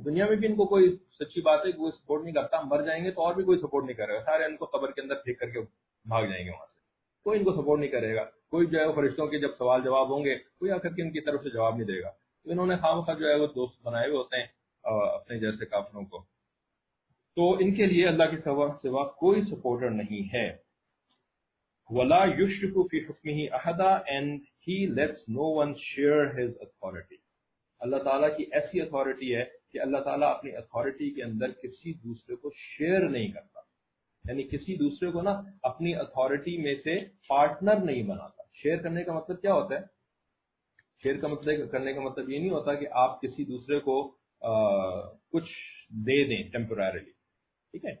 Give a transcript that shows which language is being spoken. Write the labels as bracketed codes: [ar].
[ur] دنیا میں بھی ان کو کوئی، سچی بات ہے، کوئی سپورٹ نہیں کرتا. مر جائیں گے تو اور بھی کوئی سپورٹ نہیں کرے گا، سارے ان کو قبر کے اندر پھینک کر کے بھاگ جائیں گے وہاں سے، کوئی ان کو سپورٹ نہیں کرے گا. کوئی جو ہے فرشتوں کے جب سوال جواب ہوں گے، کوئی آ کر کے ان کی طرف سے جواب نہیں دے گا. تو انہوں نے خام خواہ جو ہے وہ دوست بنائے ہوئے ہوتے ہیں اپنے جیسے کافروں کو. تو ان کے لیے اللہ کے سوا کوئی سپورٹر نہیں ہے. [ar] وَلَا يُشْرِكُ فِي حُکْمِهِ أَحَدًا [en] and he lets no one share his authority. [ur] اللہ تعالیٰ کی ایسی اتھارٹی ہے کہ اللہ تعالیٰ اپنی اتھارٹی کے اندر کسی دوسرے کو شیئر نہیں کرتا، یعنی کسی دوسرے کو نا اپنی اتھارٹی میں سے پارٹنر نہیں بناتا. شیئر کرنے کا مطلب کیا ہوتا ہے؟ شیئر کا مطلب کرنے کا مطلب یہ نہیں ہوتا کہ آپ کسی دوسرے کو کچھ دے دیں ٹیمپرریلی، ٹھیک ہے.